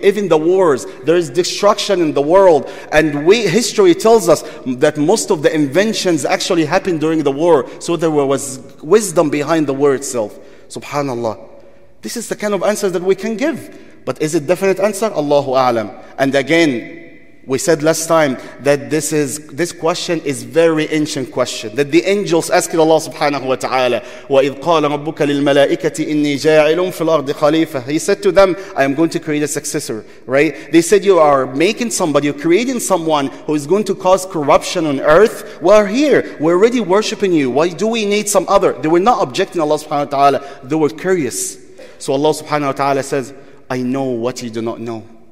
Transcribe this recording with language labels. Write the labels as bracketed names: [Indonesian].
[English] Even the wars, there is destruction in the world. And history tells us that most of the inventions actually happened during the war. So there was wisdom behind the war itself. SubhanAllah. This is the kind of answer that we can give. But is it definite answer? Allahu A'lam. And again, we said last time that this question is very ancient question. That the angels asked Allah subhanahu wa ta'ala, [Arabic] وَإِذْ قَالَ رَبُّكَ لِلْمَلَائِكَةِ إِنِّي جَاعِلٌ فِي الْأَرْضِ خَلِيفَةً. [English] He said to them, I am going to create a successor, right? They said, you are making somebody, you're creating someone who is going to cause corruption on earth. We are here. We're already worshiping you. Why do we need some other? They were not objecting Allah subhanahu wa ta'ala. They were curious. So Allah subhanahu wa ta'ala says, I know what you do not know.